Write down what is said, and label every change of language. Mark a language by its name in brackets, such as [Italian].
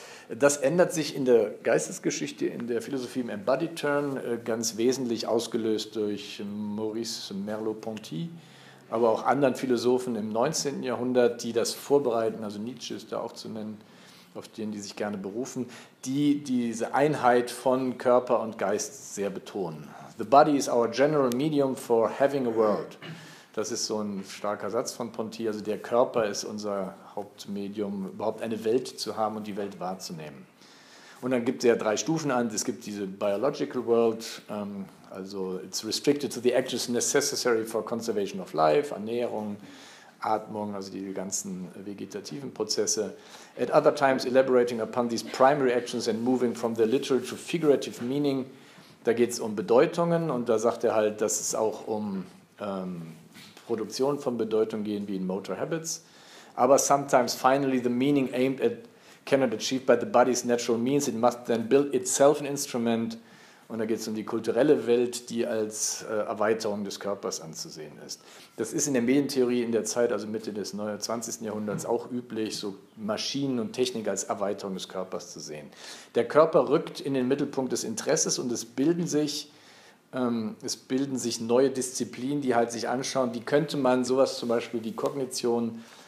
[German] Das ändert sich in der Geistesgeschichte, in der Philosophie im Embodied Turn, ganz wesentlich ausgelöst durch Maurice Merleau-Ponty, aber auch anderen Philosophen im 19. Jahrhundert, die das vorbereiten, also Nietzsche ist da auch zu nennen, auf den die sich gerne berufen, die diese Einheit von Körper und Geist sehr betonen. [English] The body is our general medium for having a world. [German] Das ist so ein starker Satz von Ponty, also der Körper ist unser Hauptmedium, überhaupt eine Welt zu haben und die Welt wahrzunehmen. Und dann gibt es ja drei Stufen an, es gibt diese biological world, also [English] it's restricted to the actions necessary for conservation of life, [German] Ernährung, Atmung, also die ganzen vegetativen Prozesse. [English] At other times elaborating upon these primary actions and moving from the literal to figurative meaning, [German] da geht es um Bedeutungen und da sagt er halt, dass es auch um Produktion von Bedeutung gehen, wie in Motor Habits. Aber [English] sometimes finally the meaning aimed at cannot achieve by the body's natural means, it must then build itself an instrument. [German] Und da geht es um die kulturelle Welt, die als Erweiterung des Körpers anzusehen ist. Das ist in der Medientheorie in der Zeit, also Mitte des 20. Jahrhunderts, auch üblich, so Maschinen und Technik als Erweiterung des Körpers zu sehen. Der Körper rückt in den Mittelpunkt des Interesses und es bilden sich neue Disziplinen, die halt sich anschauen, wie könnte man sowas zum Beispiel die Kognition